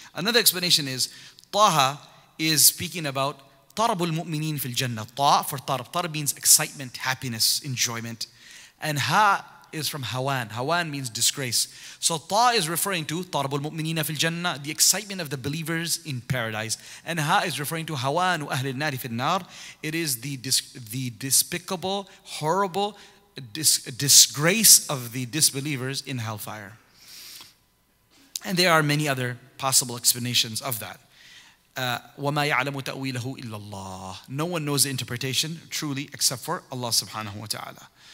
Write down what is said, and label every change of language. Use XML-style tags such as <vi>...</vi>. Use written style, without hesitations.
<en>Another explanation is, Taha is speaking about</en> <ar>طرب المؤمنين في الجنة</ar> <en>طاء for طرب طرب means excitement, happiness, enjoyment. And ها is from هوان. هوان means disgrace. So طاء is referring to</en> <ar>طرب المؤمنين في الجنة</ar> <en>the excitement of the believers in paradise.</en> <ar>And ها</ar> <en>is referring to</en> <ar>هوان وأهل النار في النار.</ar> <en>It is the despicable, horrible disgrace of the disbelievers in hellfire. And there are many other possible explanations of that.</en> <ar>وَمَا يَعْلَمُ تَأْوِيلَهُ إِلَّا اللَّهُ</ar> <en>No one knows the interpretation, truly, except for Allah subhanahu wa ta'ala.</en>